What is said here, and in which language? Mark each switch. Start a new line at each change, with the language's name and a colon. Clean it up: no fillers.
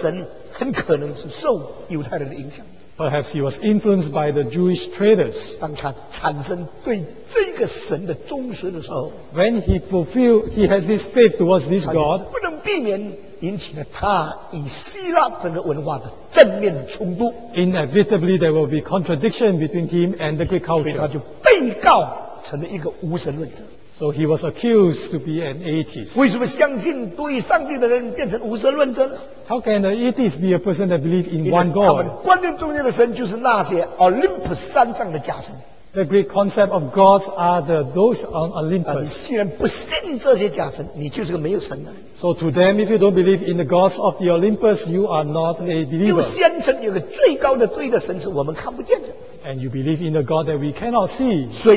Chinese: 所以他知道有一位神才是真的神，很可能是受犹太人的影响。
English: Perhaps he was influenced by the Jewish traders.
Chinese: 当他产生对这个神的忠实的时候，
English: When he fulfilled, he has this faith towards this God.
Chinese: 不能避免引起了他与希腊整个文化的正面冲突。
English: Inevitably, there will be contradiction between him and the Greek culture.
Chinese: 所以他就被告成了一个无神论者。
English: So he was accused to be an atheist.
Chinese: 为什么相信独一上帝的人变成无神论者呢？
English: How can an atheist be a person that believes in one God?
Chinese: 他们观念中间的神就是那些 Olympus 山上的假神。
English: The great concept of gods are the those on Olympus.
Chinese: 你既然不信这些假神，你就是个没有神的。
English: So to them, if you don't believe in the gods of the Olympus, you are not a believer.
Chinese: 就宣称有个最高的对的神是我们看不见的。
English: And you believe in a God that we cannot see.